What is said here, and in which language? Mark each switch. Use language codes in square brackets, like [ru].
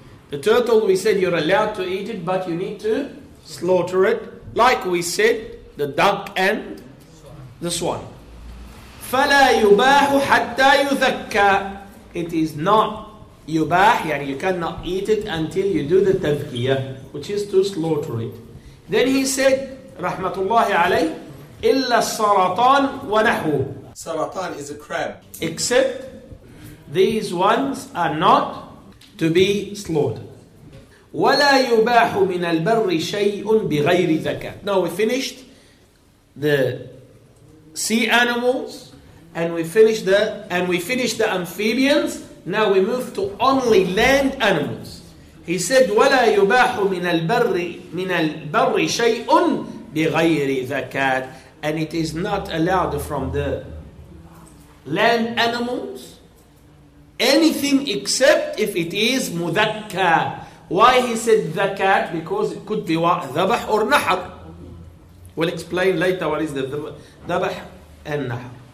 [en] The turtle, we said, you're allowed to eat it, but you need to slaughter it. Like we said, the duck and the swan. [ar] فَلَا يُبَاحُ حَتَّى يُذَكَّى. [en] It is not يُبَاح, يعني you cannot eat it until you do the تَذْكِيَة, which is to slaughter it. Then he said, [ar] رَحْمَةُ اللَّهِ عَلَيْهِ, إِلَّا السَّرَطَانِ وَنَحْوُ. [en] Saratan is a crab. Except these ones are not to be slaughtered. [ar] وَلَا يُبَاحُ مِنَ الْبَرِّ شَيْءٌ بِغَيْرِ ذَكَاةٍ. [en] Now we finished the sea animals, and we finished the amphibians. Now we move to only land animals. He said, [ar] وَلَا يُبَاحُ مِنَ الْبَرِّ شَيْءٌ بِغَيْرِ ذَكَاةٍ. [en] And it is not allowed from the land animals anything except if it is مُذَكَّى. Why he said ذَكَّى? Because it could be ذَبَح or نَحَر. We'll explain later what is the ذَبَح and نَحَر.